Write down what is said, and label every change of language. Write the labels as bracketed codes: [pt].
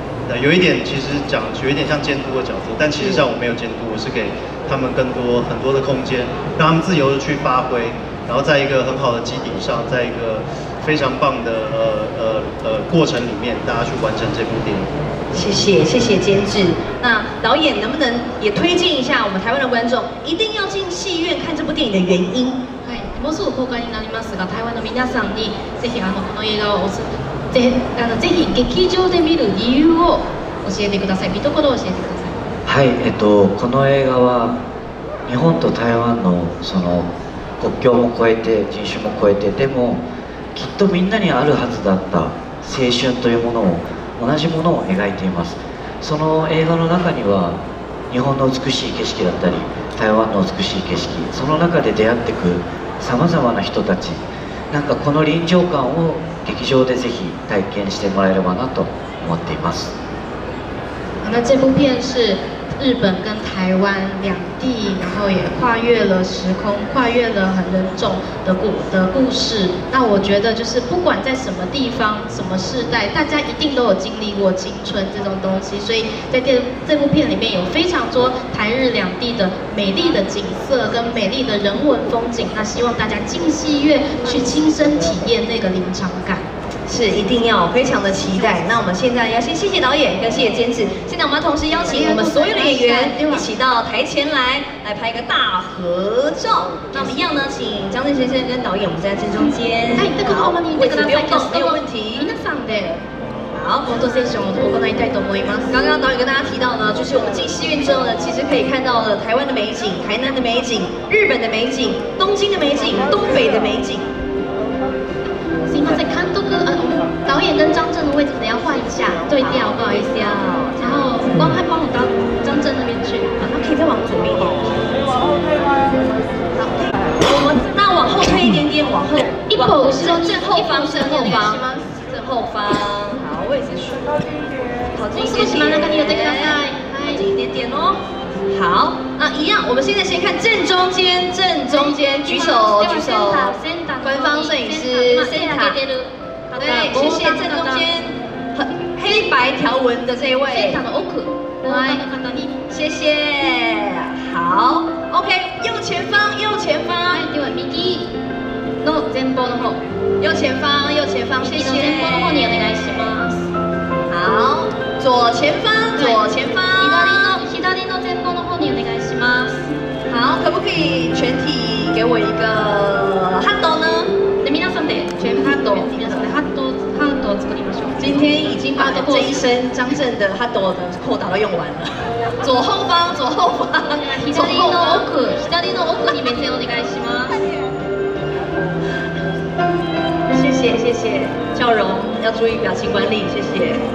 [zh] 那有一点其实讲有一点像监督的角色，但其实上我没有监督，我是给他们更多很多的空间，让他们自由的去发挥，然后在一个很好的基底上，在一个非常棒的过程里面，大家去完成这部电影。谢谢监制。那导演能不能也推荐一下我们台湾的观众一定要进戏院看这部电影的原因？ [ja] もうすぐ公開になりますが、台湾の皆さんにぜひこの映画をぜひ劇場で見る理由を教えてください。見どころを教えてください。はい、この映画は日本と台湾のその国境も越えて人種も越えてでもきっとみんなにあるはずだった青春というものを同じものを描いています。その映画の中には日本の美しい景色だったり台湾の美しい景色その中で出会ってくさまざまな人たちなんかこの臨場感を劇場でぜひ体験してもらえればなと思っています。 [zh] 那这部片是日本跟台湾两地，然后也跨越了时空，跨越了很人种的故事。那我觉得就是不管在什么地方、什么世代，大家一定都有经历过青春这种东西。所以在这部片里面有非常多台日两地的美丽的景色跟美丽的人文风景。那希望大家进戏院去亲身体验那个临场感。是一定要非常的期待。那我们现在要先谢谢导演，要谢谢监制。现在我们要同时邀请我们所有的演员一起到台前来拍一个大合照。那我们一样呢，请张震先生跟导演我们在正中间。哎，这个好吗？你这个不用动，没有问题。 [ja] 皆さんで。 [zh] 好，工作先生，我 [ja] 行いたいと思います。 [zh] 刚刚导演跟大家提到呢，就是我们进戏院之后呢，其实可以看到了台湾的美景、台南的美景、日本的美景、东京的美景、东北的美景。看都跟导演跟张震的位置可能要换一下，对调，不好意思啊。然后光害帮我到张震那边去，啊，那可以再往左边一点。好，我们那往后退一点点，往后一步是正后方，正后方，正后方。好，位置是靠近一点，靠近一点点。那你有在看吗？靠近一点点哦。好，那一样，我们现在先看正中间，正中间，举手，举手，官方摄影师 Senta， 好的，谢谢正中间，黑白条纹的这一位 Senta 的 Oku， 来，谢谢，好 ，OK， 右前方，右前方， [ja] はい、では右の前方の方、 [zh] 右前方，右前方，谢谢， [ja] 右前方の方にお願いします。 [zh] 好，左前方，左前方。 [ja] 左の前方の方にお願いします。 [zh] 好，可不可以全体给我一个ハット呢？ [ja] で皆さんで全ハット。皆さんでハット、ハットを作りましょう。 [zh] 今天已经把这一身张震的ハットの扣打都用完了。左后方，左后方。 [ja] 左の奥、左の奥に目線をお願いします。 [zh] 谢谢谢谢，笑容要注意表情管理，谢谢。